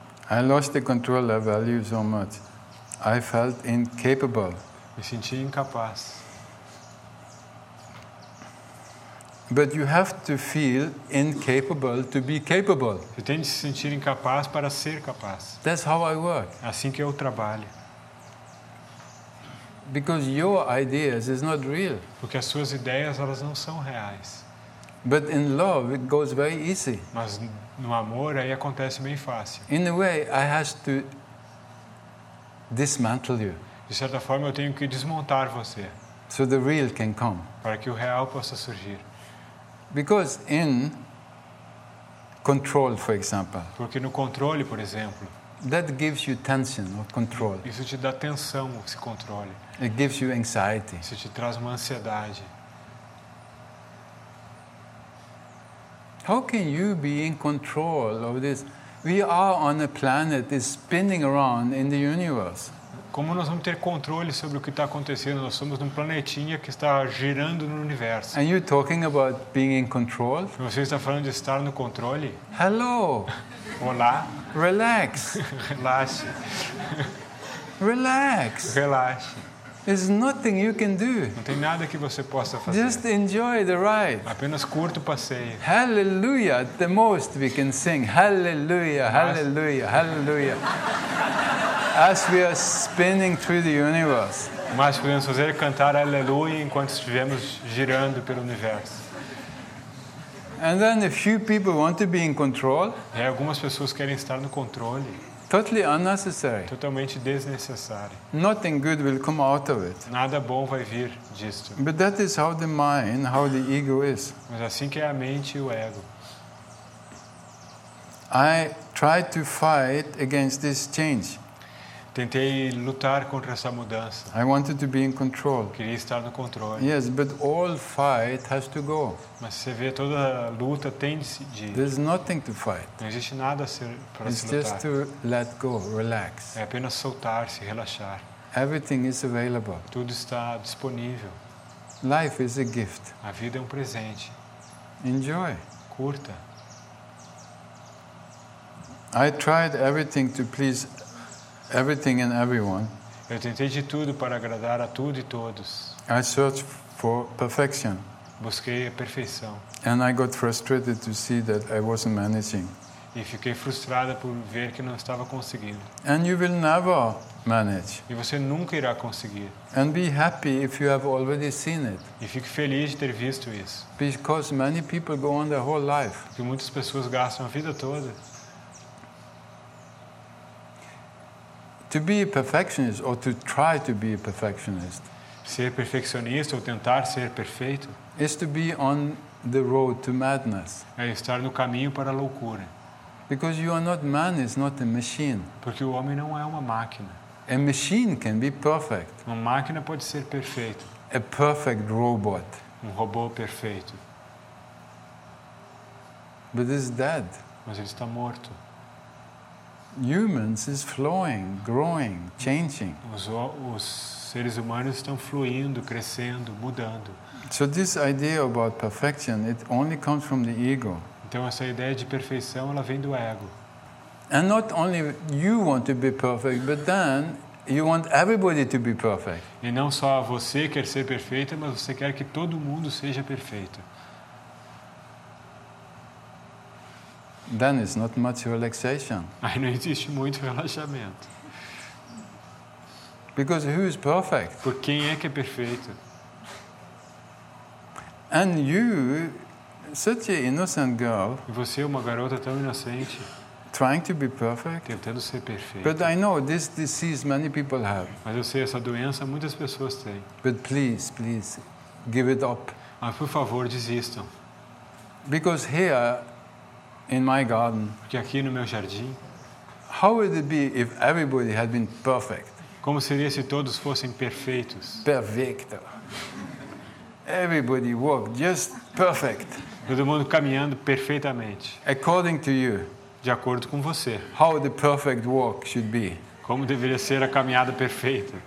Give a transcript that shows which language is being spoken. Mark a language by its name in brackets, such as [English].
[English] I lost the control I value so much. I felt incapable. [Portuguese] Me senti incapaz. [English] But you have to feel incapable to be capable. [Portuguese] Você tem de se sentir incapaz para ser capaz. [English] That's how I work. [Portuguese] Assim que eu trabalho. [English] Because your ideas is not real. [Portuguese] Porque as suas ideias elas não são reais. [English] But in love it goes very easy. [Portuguese] Mas no amor aí acontece bem fácil. [English] In a way I have to dismantle you. [Portuguese] De certa forma eu tenho que desmontar você. [English] So the real can come. [Portuguese] Para que o real possa surgir. [English] Because in control, for example. [Portuguese] Porque no controle, por exemplo. [English] That gives you tension or control. [Portuguese] Isso te dá tensão, esse controle. [English] It gives you anxiety. [Portuguese] Isso te traz uma ansiedade. [English] How can you be in control of this? We are on a planet that is spinning around in the universe. [Portuguese] Como nós vamos ter controle sobre o que está acontecendo? Nós somos num planetinha que está girando no universo. [English] And you're talking about being in control? [Portuguese] Você está falando de estar no controle? [English] Hello. [Portuguese] Olá. [English] Relax. [Portuguese] Relaxe. [English] Relax. [Portuguese] Relaxe. [English] There's nothing you can do. [Portuguese] Não tem nada que você possa fazer. [English] Just enjoy the ride. [Portuguese] Apenas curta o passeio. [English] Hallelujah, the most we can sing. Hallelujah, hallelujah, hallelujah. As we are spinning through the universe. [Portuguese] O mais que podemos fazer é cantar aleluia enquanto estivermos girando pelo universo. [English] And then a few people want to be in control. [Portuguese] E algumas pessoas querem estar no controle. [English] Totally unnecessary. [Portuguese] Totalmente desnecessário. [English] Nothing good will come out of it. [Portuguese] Nada bom vai vir disto. [English] But that is how the mind, how the ego is. [Portuguese] Mas assim que é a mente e o ego. [English] I tried to fight against this change. [Portuguese] Tentei lutar contra essa mudança. [English] I wanted to be in control. [Portuguese] Queria estar no controle. [English] Yes, but all fight has to go. [Portuguese] Mas você vê, toda luta tem de ir. [English] There's nothing to fight. [Portuguese] Não existe nada para se lutar. [English] It's just to let go, relax. [Portuguese] É apenas soltar-se, relaxar. [English] Everything is available. [Portuguese] Tudo está disponível. [English] Life is a gift. [Portuguese] A vida é um presente. [English] Enjoy. [Portuguese] Curta. [English] I tried everything to please everything and everyone. [Portuguese] Eu tentei de tudo para agradar a tudo e todos. [English] I searched for perfection. [Portuguese] Busquei a perfeição. [English] And I got frustrated to see that I wasn't managing. [Portuguese] E fiquei frustrada por ver que não estava conseguindo. [English] And you will never manage. [Portuguese] E você nunca irá conseguir. [English] And be happy if you have already seen it. [Portuguese] E fique feliz de ter visto isso. [English] Because many people go on their whole life. [Portuguese] Porque muitas pessoas gastam a vida toda. [English] To be a perfectionist or to try to be a perfectionist. [Portuguese] Ser perfeccionista ou tentar ser perfeito. [English] Is to be on the road to madness. [Portuguese] É estar no caminho para a loucura. [English] Because you are not man is not a machine. [Portuguese] Porque o homem não é uma máquina. [English] A machine can be perfect. [Portuguese] Uma máquina pode ser perfeita. [English] A perfect robot. [Portuguese] Um robô perfeito. [English] But it's dead. [Portuguese] Mas ele está morto. [English] Humans is flowing, growing, changing. [Portuguese] Os seres humanos estão fluindo, crescendo, mudando. [English] So this idea about perfection, it only comes from the ego. [Portuguese] Então essa ideia de perfeição, ela vem do ego. [English] And not only you want to be perfect, but then you want everybody to be perfect. [Portuguese] E não só você quer ser perfeita, mas você quer que todo mundo seja perfeito. [English] Then it's not much relaxation. [Portuguese] Aí não existe muito relaxamento. [English] Because who is perfect? [Portuguese] Por quem é que é perfeito? [English] And you, such an innocent girl. [Portuguese] E você, uma garota tão inocente. [English] Trying to be perfect. [Portuguese] Tentando ser perfeita. [English] But I know this disease many people have. [Portuguese] Mas eu sei, essa doença muitas pessoas têm. [English] But please, please, give it up. [Portuguese] Mas por favor, desistam. [English] Because here. In my garden. [Portuguese] Porque aqui no meu jardim. [English] How would it be if everybody had been perfect? [Portuguese] Como seria se todos fossem perfeitos? [Spanish] Perfecto. [English] Everybody walk just perfect. [Portuguese] Todo mundo caminhando perfeitamente. [English] According to you. [Portuguese] De acordo com você. [English] How the perfect walk should be? [Portuguese] Como deveria ser a caminhada perfeita?